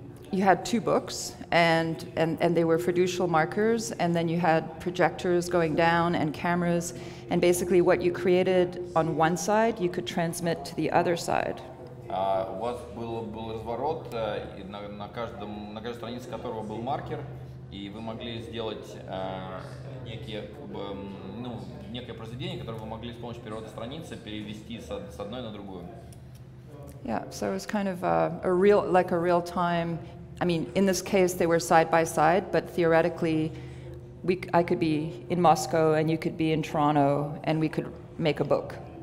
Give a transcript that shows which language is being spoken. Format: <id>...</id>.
<en>You had two books, and they were fiducial markers, and then you had projectors going down and cameras, and basically what you created on one side, you could transmit to the other side.</en> <ru>У вас был разворот, на каждой странице которого был маркер, и вы могли сделать некое произведение, которое вы могли с помощью переворота страницы перевести с одной на другую.</ru> <en>Yeah, so it was kind of a real-time. I mean, in this case, they were side by side, but theoretically, I could be in Moscow and you could be in Toronto, and we could make a book.</en>